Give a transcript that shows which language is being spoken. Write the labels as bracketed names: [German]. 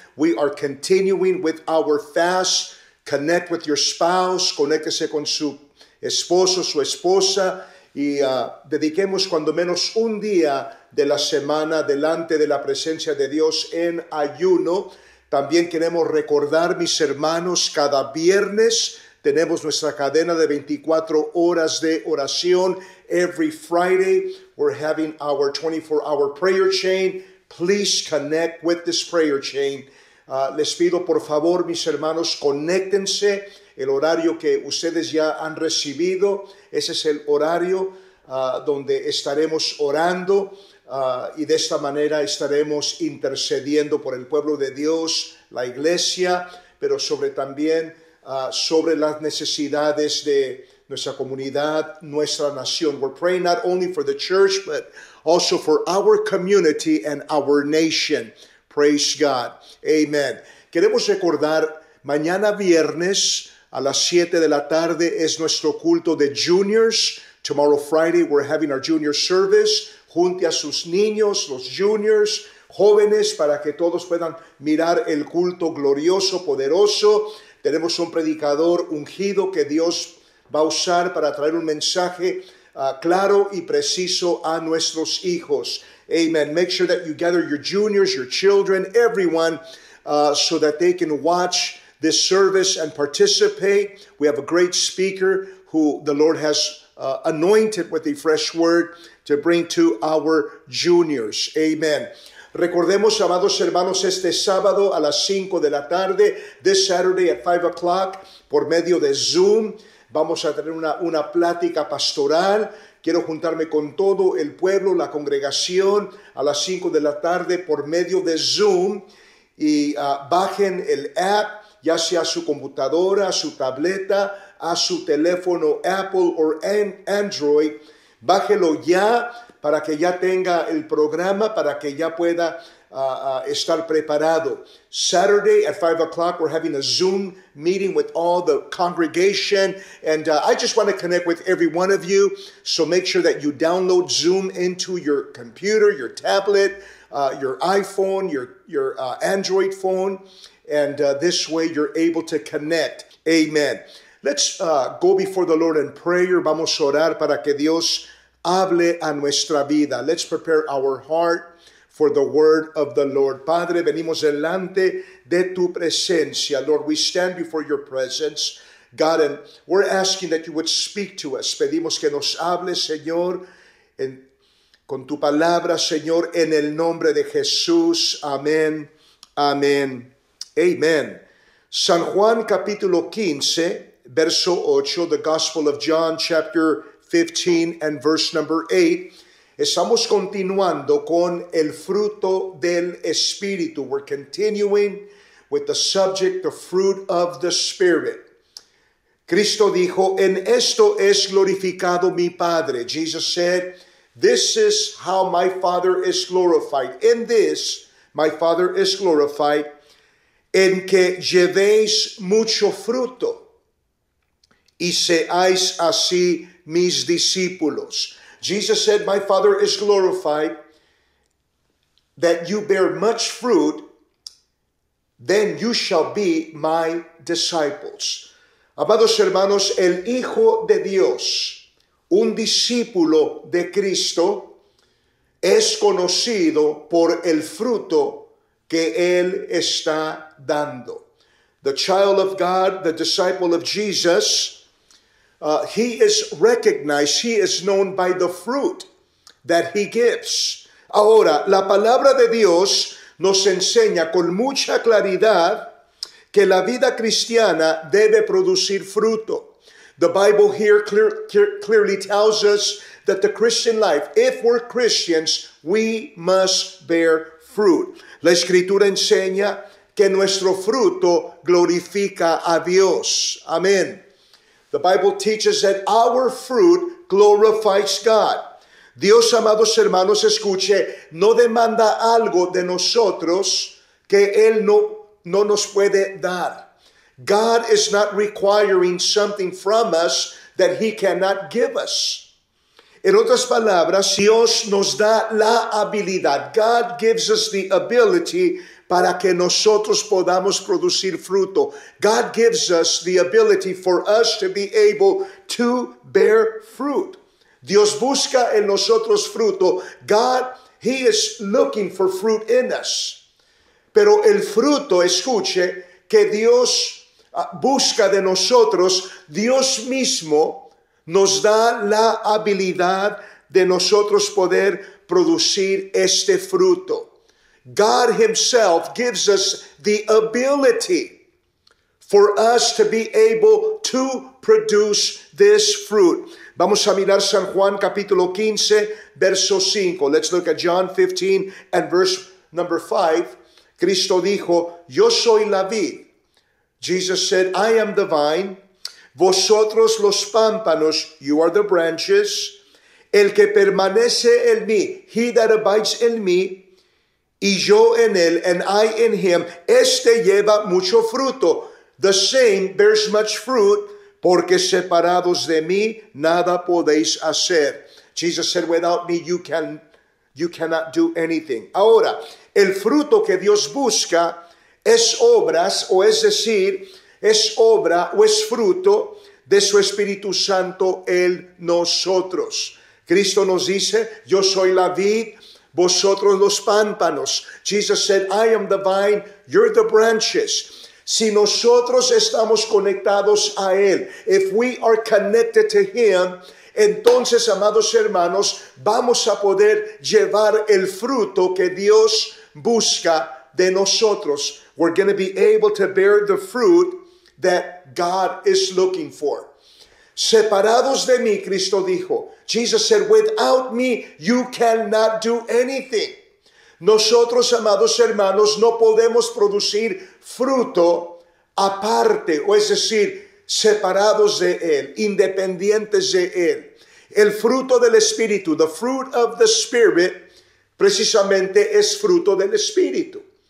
[English] We are continuing with our fast. Connect with your spouse, [Spanish] conéctese con su esposo, su esposa, y dediquemos cuando menos un día de la semana delante de la presencia de Dios en ayuno. También queremos recordar, mis hermanos, cada viernes tenemos nuestra cadena de 24 horas de oración. [English] Every Friday, we're having our 24-hour prayer chain. Please connect with this prayer chain. [Spanish] Les pido, por favor, mis hermanos, conéctense. El horario que ustedes ya han recibido, ese es el horario donde estaremos orando. Y de esta manera estaremos intercediendo por el pueblo de Dios, la iglesia, pero sobre también sobre las necesidades de nuestra comunidad, nuestra nación. [English] We're praying not only for the church, but also for our community and our nation. Praise God. Amen. [Spanish] Queremos recordar, mañana viernes a las 7 de la tarde es nuestro culto de juniors. [English] Tomorrow Friday we're having our junior service. [Spanish] Junte a sus niños, los juniors, jóvenes, para que todos puedan mirar el culto glorioso, poderoso. Tenemos un predicador ungido que Dios va a usar para traer un mensaje claro y preciso a nuestros hijos. Amen. [English] Make sure that you gather your juniors, your children, everyone, so that they can watch this service and participate. We have a great speaker who the Lord has anointed with a fresh word to bring to our juniors. [Spanish] Amen. Recordemos, amados hermanos, este sábado a las 5 de la tarde, [English] this Saturday at 5 o'clock, [Spanish] por medio de Zoom, vamos a tener una plática pastoral. Quiero juntarme con todo el pueblo, la congregación, a las 5 de la tarde por medio de Zoom. Y bajen el app, ya sea a su computadora, a su tableta, a su teléfono Apple o Android. Bájelo ya para que ya tenga el programa, para que ya pueda estar preparado. [English] Saturday at 5 o'clock, we're having a Zoom meeting with all the congregation. And I just want to connect with every one of you. So make sure that you download Zoom into your computer, your tablet, your iPhone, your Android phone. And this way you're able to connect. Amen. Let's go before the Lord in prayer. [Spanish] Vamos a orar para que Dios hable a nuestra vida. [English] Let's prepare our heart for the word of the Lord. [Spanish] Padre, venimos delante de tu presencia. [English] Lord, we stand before your presence. God, and we're asking that you would speak to us. [Spanish] Pedimos que nos hable, Señor, con tu palabra, Señor, en el nombre de Jesús. [English] Amén. Amén. Amen. [Spanish] San Juan, capítulo 15, verso 8, [English] the Gospel of John, chapter 15, and verse number 8. [Spanish] Estamos continuando con el fruto del Espíritu. [English] We're continuing with the subject, the fruit of the Spirit. [Spanish] Cristo dijo, en esto es glorificado mi Padre. [English] Jesus said, this is how my Father is glorified. In this, my Father is glorified, [Spanish] en que llevéis mucho fruto y seáis así mis discípulos. [English] Jesus said, my Father is glorified that you bear much fruit, then you shall be my disciples. [Spanish] Amados hermanos, el Hijo de Dios, un discípulo de Cristo, es conocido por el fruto que él está dando. [English] The child of God, the disciple of Jesus, he is recognized, he is known by the fruit that he gives. [Spanish] Ahora, la palabra de Dios nos enseña con mucha claridad que la vida cristiana debe producir fruto. [English] The Bible here clearly tells us that the Christian life, if we're Christians, we must bear fruit. [Spanish] La escritura enseña que nuestro fruto glorifica a Dios. Amén. [English] The Bible teaches that our fruit glorifies God. [Spanish] Dios, amados hermanos, escuche, no demanda algo de nosotros que Él no nos puede dar. [English] God is not requiring something from us that He cannot give us. [Spanish] En otras palabras, Dios nos da la habilidad. [English] God gives us the ability [Spanish] para que nosotros podamos producir fruto. [English] God gives us the ability for us to be able to bear fruit. [Spanish] Dios busca en nosotros fruto. [English] God, He is looking for fruit in us. [Spanish] Pero el fruto, escuche, que Dios busca de nosotros, Dios mismo nos da la habilidad de nosotros poder producir este fruto. [English] God Himself gives us the ability for us to be able to produce this fruit. [Spanish] Vamos a mirar San Juan capítulo 15, verso 5. [English] Let's look at John 15 and verse number 5. [Spanish] Cristo dijo, yo soy la vid. [English] Jesus said, I am the vine. [Spanish] Vosotros los pámpanos, [English] you are the branches. [Spanish] El que permanece en mí, [English] he that abides in me, [Spanish] y yo en él, [English] and I in him, [Spanish] este lleva mucho fruto. [English] The same bears much fruit, [Spanish] porque separados de mí, nada podéis hacer. [English] Jesus said, without me, you cannot do anything. [Spanish] Ahora, el fruto que Dios busca es obras, o es decir, es obra o es fruto de su Espíritu Santo en nosotros. Cristo nos dice, yo soy la vid, vosotros los pámpanos. [English] Jesus said, I am the vine, you're the branches. [Spanish] Si nosotros estamos conectados a Él, [English] if we are connected to Him, [Spanish] entonces, amados hermanos, vamos a poder llevar el fruto que Dios busca de nosotros. [English] We're going to be able to bear the fruit that God is looking for. [Spanish] Separados de mí, Cristo dijo. [English] Jesus said, without me, you cannot do anything. [Spanish] Nosotros, amados hermanos, no podemos producir fruto aparte, o es decir, separados de Él, independientes de Él. El fruto del Espíritu, [English] the fruit of the Spirit, [Spanish] precisamente es fruto del Espíritu.